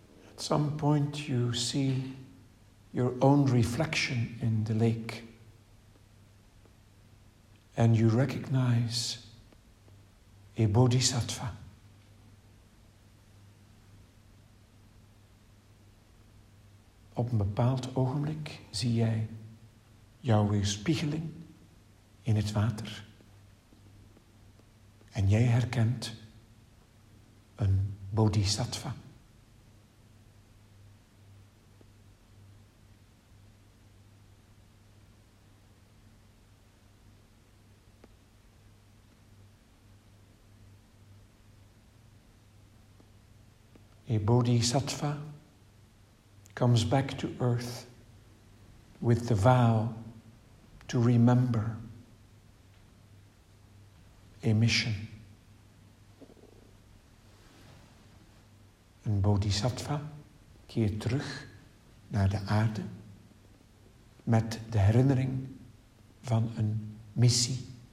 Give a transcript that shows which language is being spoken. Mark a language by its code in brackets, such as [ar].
[en] At some point you see your own reflection in the lake, and you recognize a bodhisattva. [nl] Op een bepaald ogenblik zie jij jouw weerspiegeling in het water. En jij herkent een bodhisattva. [en] A bodhisattva comes back to earth with the vow to remember a mission. [nl] Een bodhisattva keert terug naar de aarde met de herinnering van een missie.